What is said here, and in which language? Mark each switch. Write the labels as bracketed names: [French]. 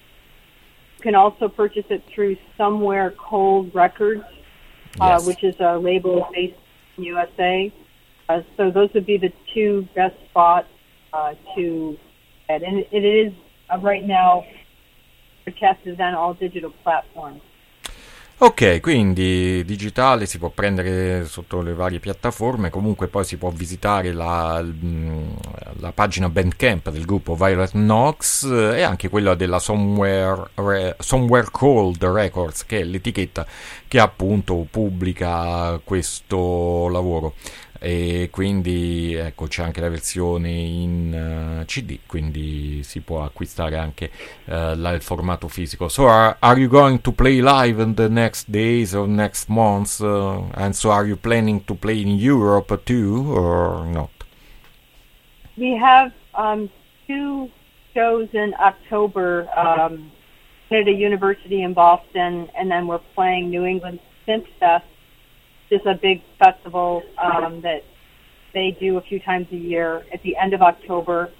[English] You can also purchase it through Somewhere Cold Records, yes, which is a label based in USA. So those would be the two best spots to get. And it is right now protected on all digital platforms. [Italian] Ok, quindi digitale si può prendere sotto le varie piattaforme, comunque poi si può visitare la pagina Bandcamp del gruppo Violet Knox e anche quella della Somewhere Cold Records, che è l'etichetta che appunto pubblica questo lavoro. E quindi ecco, c'è anche la versione in CD, quindi si può acquistare anche il formato fisico. [English] So are you going to play live in the next days or next months, and so are you planning to play in Europe too or not? We have two shows in October at a university in Boston, and then we're playing New England Synth Fest, just a big festival that they do a few times a year at the end of October.